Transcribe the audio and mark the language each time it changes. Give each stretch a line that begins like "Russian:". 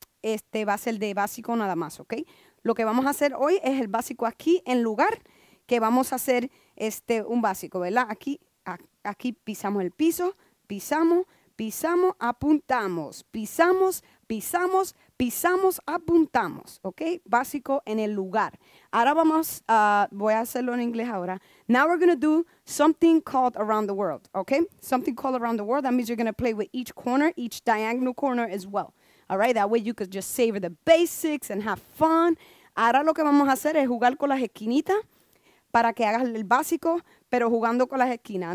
Spanish: Este va a ser de básico nada más, okay? Lo que vamos a hacer hoy es el básico aquí en lugar que vamos a hacer este un básico, ¿verdad? Aquí pisamos el piso, pisamos, apuntamos, pisamos, apuntamos, ¿ok? Básico en el lugar. Ahora vamos, voy a hacerlo en inglés ahora.
English: Now we're going to do something called around the world, ¿ok? Something called around the world, that means you're going to play with each corner, each diagonal corner as well, all right? That way you could just savor the basics and have fun.
Spanish: Ahora lo que vamos a hacer es jugar con las esquinitas para que hagas el básico, pero jugando con las esquinas.